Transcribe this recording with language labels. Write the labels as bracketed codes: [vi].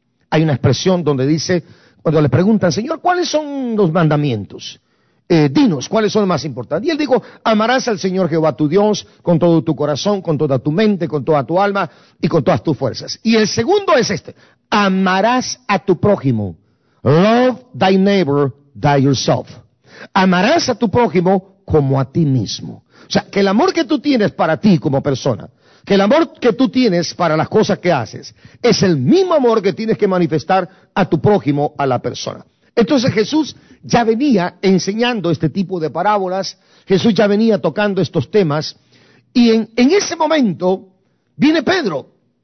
[es] Hay una expresión donde dice, cuando le preguntan, Señor, ¿cuáles son los mandamientos? Dinos, ¿cuáles son los más importantes? Y él dijo, amarás al Señor Jehová tu Dios con todo tu corazón, con toda tu mente, con toda tu alma y con todas tus fuerzas. Y el segundo es este, amarás a tu prójimo. [en] Love thy neighbor, thy yourself. [es] Amarás a tu prójimo como a ti mismo. O sea, que el amor que tú tienes para ti como persona, que el amor que tú tienes para las cosas que haces, es el mismo amor que tienes que manifestar a tu prójimo, a la persona. Entonces Jesús ya venía enseñando este tipo de parábolas, Jesús ya venía tocando estos temas, y en ese momento viene Pedro.